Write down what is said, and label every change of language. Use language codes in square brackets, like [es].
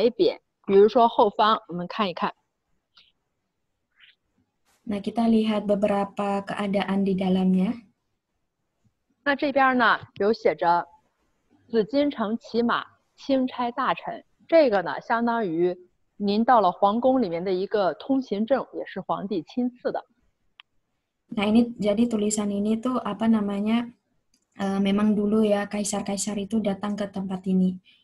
[zh] 那在这里面呢，有很多是这个以前皇帝御赐的一些牌匾，比如说后方，我们看一看。 [id] Nah, kita lihat beberapa keadaan di dalamnya. [zh] Nah, 这边呢有写着紫禁城骑马钦差大臣，这个呢相当于您到了皇宫里面的一个通行证，也是皇帝亲赐的。 [id] Nah, ini jadi tulisan ini tuh apa namanya? Memang dulu ya kaisar-kaisar itu datang ke tempat ini.